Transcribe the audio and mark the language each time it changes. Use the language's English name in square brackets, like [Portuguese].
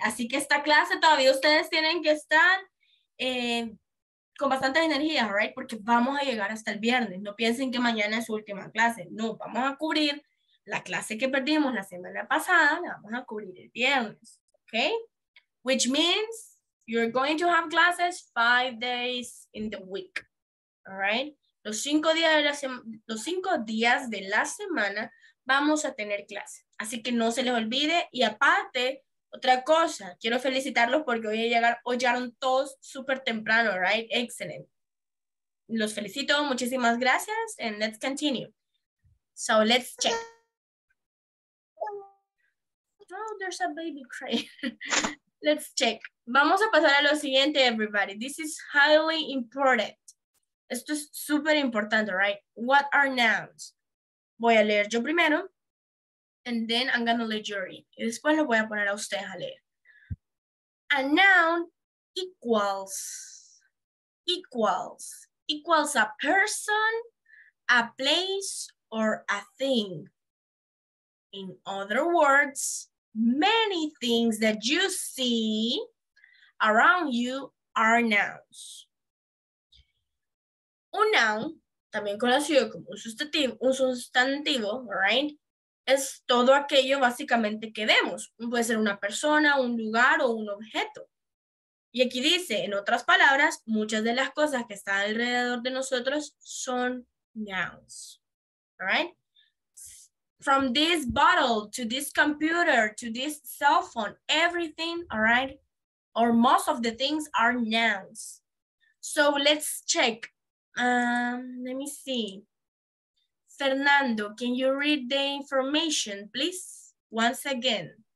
[Spanish] Así que esta clase todavía ustedes tienen que estar con bastante energía, right? Porque vamos a llegar hasta el viernes. No piensen que mañana es su última clase. No, vamos a cubrir la clase que perdimos la semana pasada, la vamos a cubrir el viernes, okay? [English] Which means you're going to have classes 5 days in the week, all right? [Spanish] Los cinco días de la semana vamos a tener clase. Así que no se les olvide. Y aparte, otra cosa, quiero felicitarlos porque hoy llegaron todos súper temprano, right? [English] Excellent. [Spanish] Los felicito, muchísimas gracias, [English] and let's continue. So let's check. Oh, there's a baby crying. Let's check. [Spanish] Vamos a pasar a lo siguiente, [English] everybody. This is highly important. [Spanish] Esto es súper importante, [English] right? What are nouns? [Spanish] Voy a leer yo primero. [English] And then I'm gonna let you read. [Spanish] Y después lo voy a poner a ustedes a leer. [English] A noun equals a person, a place, or a thing. In other words, many things that you see around you are nouns. [Spanish] Un noun, también conocido como un sustantivo, right? Es todo aquello básicamente que vemos. Puede ser una persona, un lugar o un objeto. Y aquí dice, en otras palabras, muchas de las cosas que están alrededor de nosotros son nouns. [English] All right? From this bottle to this computer to this cell phone, everything, all right? Or most of the things are nouns. So let's check. Let me see. Fernando, can you read the information, please, once again?